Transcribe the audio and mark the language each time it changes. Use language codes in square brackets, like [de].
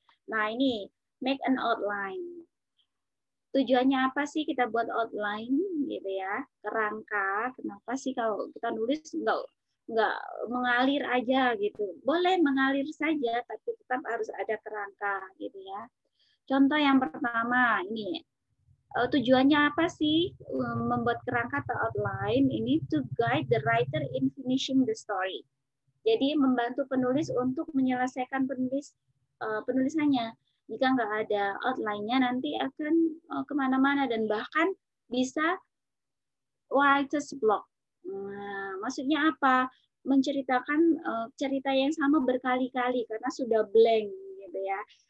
[id] Nah, ini make an outline. Tujuannya apa sih kita buat outline gitu ya? Kerangka. Kenapa sih kalau kita nulis enggak mengalir aja gitu. Boleh mengalir saja, tapi tetap harus ada kerangka gitu ya. Contoh yang pertama ini. Tujuannya apa sih membuat kerangka atau outline? [en] Ini to guide the writer in finishing the story. [id] Jadi membantu penulis untuk menyelesaikan penulisannya. Jika nggak ada outline-nya, nanti akan kemana-mana dan bahkan bisa writer's block. Nah, maksudnya apa? Menceritakan cerita yang sama berkali-kali karena sudah blank gitu ya.